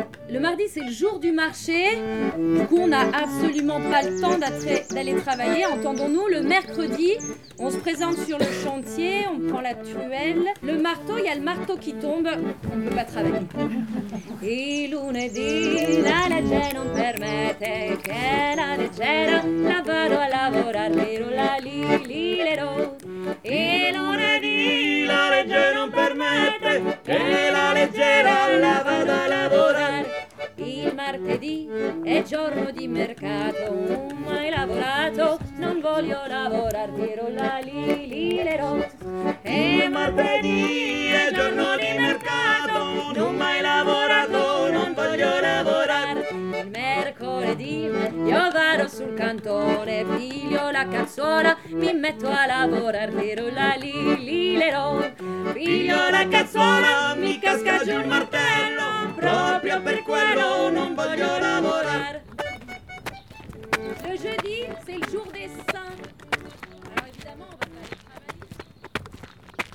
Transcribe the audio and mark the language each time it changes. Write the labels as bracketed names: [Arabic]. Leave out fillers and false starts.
[French] Le mardi, c'est le jour du marché. Du coup, on n'a absolument pas le temps d'aller travailler. Entendons-nous, le mercredi, on se présente sur le chantier, on prend la truelle. Le marteau, il y a le marteau qui tombe, on ne peut pas travailler. [Italian] Il lunedì, la legge non permette che la leggera la vado a lavorare, la li li le ro. Il lunedì, la legge non permette che la leggera la vado a lavorare. Il martedì è giorno di mercato, non mai lavorato, non voglio lavorare, tiro la li li le ro. E martedì è giorno di mercato, non mai lavorato, non voglio lavorare. Il mercoledì io vado sul cantone, piglio la cazzuola, mi metto a lavorare, tiro la li li le ro. Piglio la cazzuola, mi casca giù il martello. Proprio per quello non voglio lavorare. [French] Le jeudi, c'est le jour des saints. Alors évidemment, on va aller travailler.